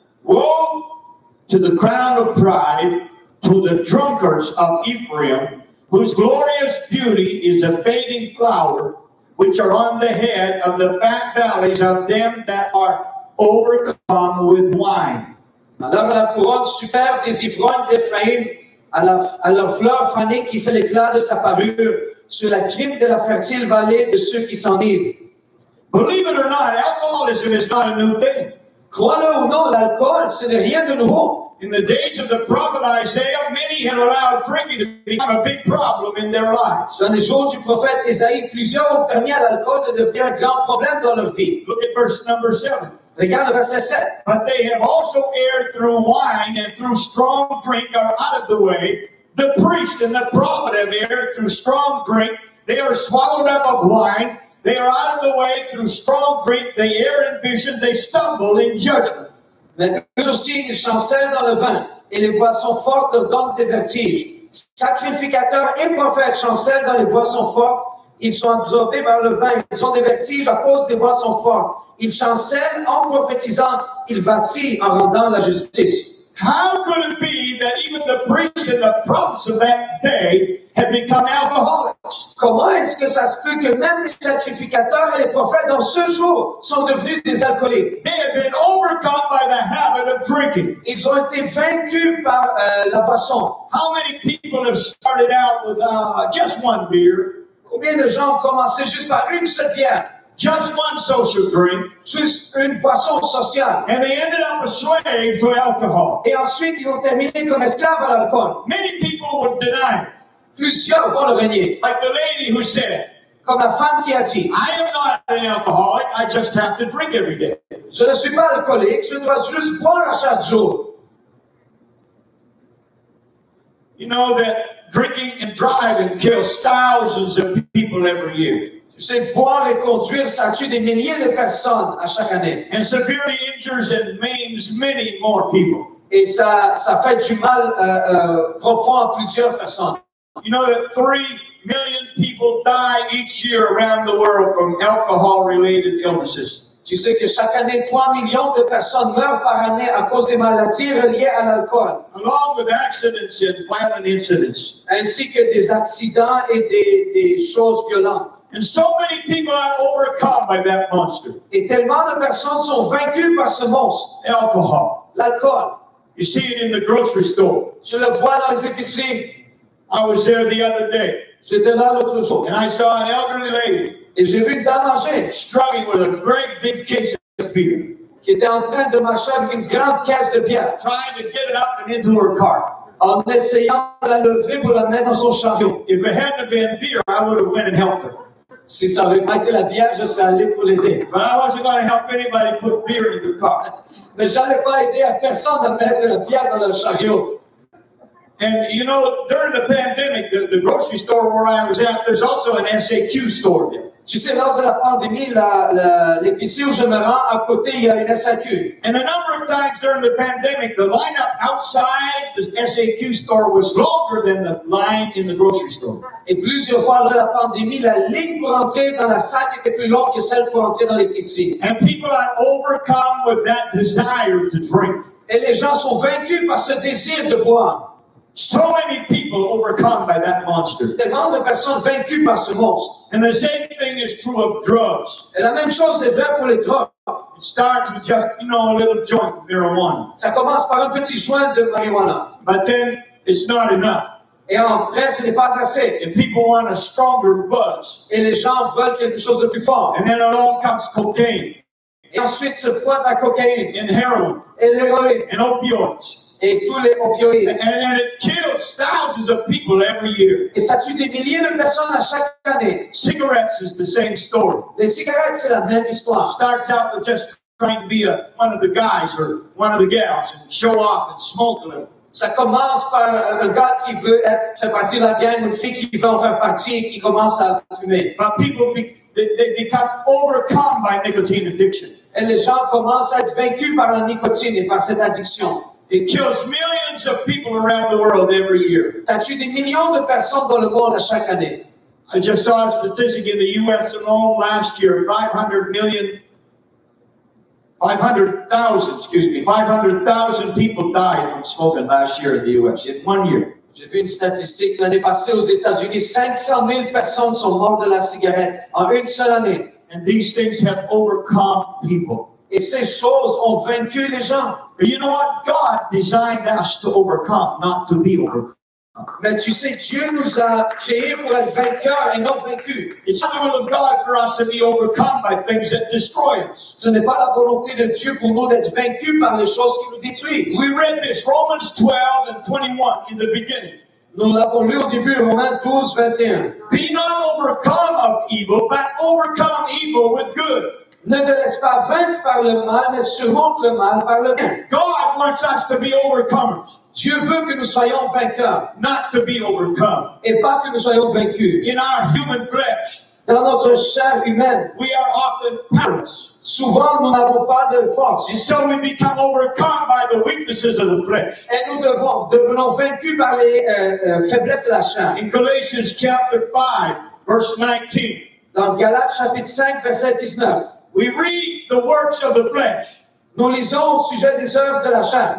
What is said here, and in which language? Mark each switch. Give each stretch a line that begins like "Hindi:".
English: Woe to the crown of pride, to the drunkards of Ephraim, whose glorious beauty is a fading flower, which are on the head of the fat valleys of them that are overcome with wine.
French: Alors la couronne superbe des ivrognes d'Ephraïm, à leur fleur fanée qui fait l'éclat de sa parure, sur la crime de la fertile vallée de ceux qui s'enivrent.
English: Believe it or not, alcoholism is not a new thing.
French: Croyez-le ou non, l'alcool, ce n'est rien de nouveau.
English: In the days of the prophet Isaiah, many had allowed drinking to become a big problem in their lives.
French: Dans les jours du prophète Isaïe, plusieurs ont permis à l'alcool de devenir un grand problème dans leur vie.
English: Look at verse number 7.
French: Regarde verset 7.
English: But they have also erred through wine and through strong drink are out of the way. The priest and the prophet have erred through strong drink. They are swallowed up of wine. They are out of the way through strong drink. They err in vision. They stumble in judgment.
French: Mais eux aussi, ils chancèlent dans le vin, et les boissons fortes leur donnent des vertiges. Sacrificateurs et prophètes chancèlent dans les boissons fortes. Ils sont absorbés par le vin, ils ont des vertiges à cause des boissons fortes. Ils chancèlent en prophétisant, ils vacillent en rendant la justice.
English: How could it be that even the priests and the prophets of that day had become alcoholics?
French: Comment est-ce que ça se peut que même les sacrificateurs et les prophètes dans ce jour sont devenus des alcooliques?
English: They had been overcome by the habit of drinking.
French: Ils ont été vaincus par la boisson.
English: How many people have started out with just one beer?
French: Combien de gens ont commencé juste par une seule bière?
English: Just one social drink,
French: juste une boisson sociale,
English: and they ended up a slave to alcohol.
French: Et ensuite ils ont terminé comme esclaves à l'alcool.
English: Many people would deny it.
French: Plusieurs vont le renier.
English: Like the lady who said,
French: comme la femme qui a dit,
English: I am not an alcoholic. I just have to drink every day.
French: Je ne suis pas alcoolique. Je dois juste boire à chaque jour.
English: You know that drinking and driving kills thousands of people every year.
French: Tu sais, boire et conduire, ça tue des milliers de personnes à chaque année.
English: And severely injures and maims many more people.
French: Et ça fait du mal profond à plusieurs personnes.
English: You know that 3 million people die each year around the world from alcohol-related illnesses.
French: Tu sais que chaque année, 3 millions de personnes meurent par année à cause des maladies reliées à l'alcool.
English: Along with accidents and violent incidents.
French: Ainsi que des accidents et des choses violentes.
English: And so many people are overcome by that monster.
French: Et tellement de personnes sont vaincues par ce monstre.
English: Alcohol.
French: L'alcool.
English: You see it in the grocery store.
French: Je le vois dans les épiceries.
English: I was there the other day.
French: J'étais là l'autre jour.
English: And I saw an elderly lady.
French: Et j'ai vu une dame âgée.
English: Struggling with a great big case of beer.
French: Qui était en train de marcher avec une grande caisse de bière.
English: Trying to get it up and into her car.
French: En essayant de la lever pour la mettre dans son chariot.
English: If it hadn't been beer, I would have went and helped her.
French: Si ça avait pas été la bière, je serais allé pour l'aider.
English: But I wasn't going to help anybody put beer in the car.
French: Mais j'allais pas aider à personne de mettre la bière dans le chariot.
English: And you know, during the pandemic, the grocery store where I was at, there's also an SAQ store there.
French: Tu sais, lors de la pandémie, l'épicerie où je me rends, à côté, il y a une SAQ.
English: And a number of times during the pandemic, the lineup outside the SAQ store was longer than the line in the grocery store.
French: Et plusieurs fois lors de la pandémie, la ligne pour entrer dans la salle était plus longue que celle pour entrer dans l'épicerie.
English: And people are overcome with that desire to drink.
French: Et les gens sont vaincus par ce désir de boire.
English: So many people overcome by that monster.
French: Tellement de personnes vaincues par ce monstre.
English: And the same thing is true of drugs.
French: Et la même chose est vraie pour les drogues.
English: It starts with just, you know, a little joint of marijuana.
French: Ça commence par un petit joint de marijuana.
English: But then it's not enough.
French: Et après, ce n'est pas assez.
English: And people want a stronger buzz.
French: Et les gens veulent quelque chose de plus fort.
English: And then along comes cocaine.
French: Et ensuite se pointe la cocaïne.
English: And heroin.
French: Et l'héroïne.
English: And opioids.
French: Et tous les opioïdes.
English: And it kills thousands of people every year.
French: Et ça tue des milliers de personnes à chaque année.
English: Cigarettes is the same story.
French: Les cigarettes, c'est la même histoire.
English: Starts out with just trying to be one of the guys or one of the gals and show off and smoke a little.
French: Ça commence par un gars qui veut faire partie de la gang, une fille qui veut en faire partie et qui commence à fumer.
English: But people they become overcome by nicotine addiction.
French: Et les gens commencent à être vaincus par la nicotine et par cette addiction.
English: It kills millions of people around the world every year.
French: Ça tue des millions de personnes dans le monde chaque année.
English: I just saw a statistic in the U.S. alone last year, 500,000 people died from smoking last year in the U.S. in 1 year.
French: J'ai vu une statistique l'année passée aux États-Unis, 500 000 personnes sont mortes de la cigarette en une seule année.
English: And these things have overcome people.
French: Et ces choses ont vaincu les gens.
English: But you know what? God designed us to overcome, not to be overcome.
French: Mais tu sais, Dieu nous a créés pour être vainqueurs et non vaincus.
English: It's not the will of God for us to be overcome by things that destroy us.
French: Ce n'est pas la volonté de Dieu pour nous d'être vaincus par les choses qui nous détruisent.
English: We read this, Romans 12 and 21 in the beginning.
French: Nous l'avons lu au début, Romains 12, 21.
English: Be not overcome of evil, but overcome evil with good.
French: Ne te laisse pas vaincre par le mal, mais surmonte le mal par le bien.
English: God wants us to be overcomers.
French: Dieu veut que nous soyons vainqueurs.
English: Not to be overcome.
French: Et pas que nous soyons vaincus.
English: In our human flesh.
French: Dans notre chair humaine.
English: We are often powerless.
French: Souvent, nous n'avons pas de force.
English: And so we become overcome by the weaknesses of the flesh.
French: Et nous devenons vaincus par les faiblesses de la chair.
English: In Galatians chapter 5, verse 19.
French: Dans Galates chapitre 5, verset 19.
English: We read the works of the flesh.
French: Nous lisons au sujet des œuvres de la chair.